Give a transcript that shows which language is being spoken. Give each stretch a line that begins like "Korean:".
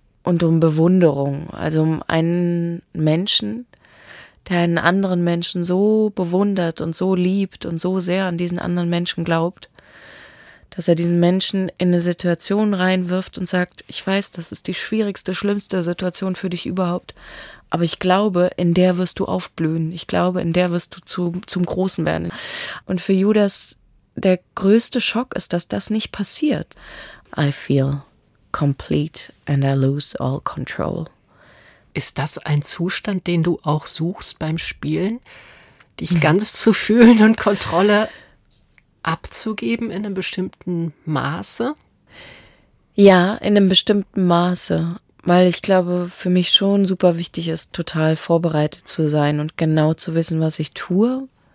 German: Und um Bewunderung, also um einen Menschen, der einen anderen Menschen so bewundert und so liebt und so sehr an diesen anderen Menschen glaubt, dass er diesen Menschen in eine Situation reinwirft und sagt, ich weiß, das ist die schwierigste, schlimmste Situation für dich überhaupt, aber ich glaube, in der wirst du aufblühen, ich glaube, in der wirst du zum Großen werden. Und für Judas der größte Schock ist, dass das nicht passiert.
English: I feel complete and I lose all control.
German: Ist das ein Zustand, den du auch suchst beim Spielen? Dich ganz zu fühlen und Kontrolle abzugeben in einem bestimmten Maße? Ja, in einem bestimmten Maße. Weil ich glaube, für mich schon super wichtig ist, total vorbereitet zu sein und genau zu wissen, was ich tue.